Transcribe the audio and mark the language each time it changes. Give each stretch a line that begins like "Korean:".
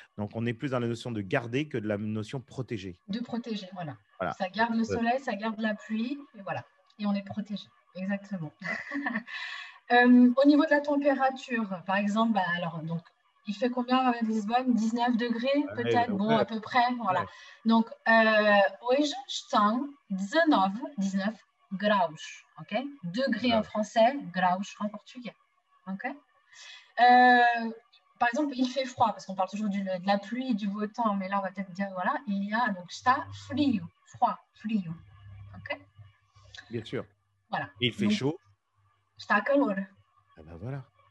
French: Donc, on est plus dans la notion de garder que de la notion protéger. De protéger, voilà. Voilà. Ça garde le soleil, ça garde la pluie, et voilà. Et on est protégé. Exactement. au niveau de la température, par exemple, bah alors, donc, il fait combien à Lisbonne? 19 degrés, peut-être? Bon, à peu près, voilà. Ouais.
Portuguese: Donc, hoje estão 19 graus, OK?
French: Degrés en Grave. français, graus en portugais, OK? Par exemple, il fait froid, parce qu'on parle toujours de la pluie, du beau temps, mais là, on va peut-être dire, voilà, il y a, donc,
Portuguese: está frio.
French: Froid, frio. OK? Bien sûr. Voilà. Il fait Donc, chaud.
Portuguese: está calor.
French: Ah ben voilà.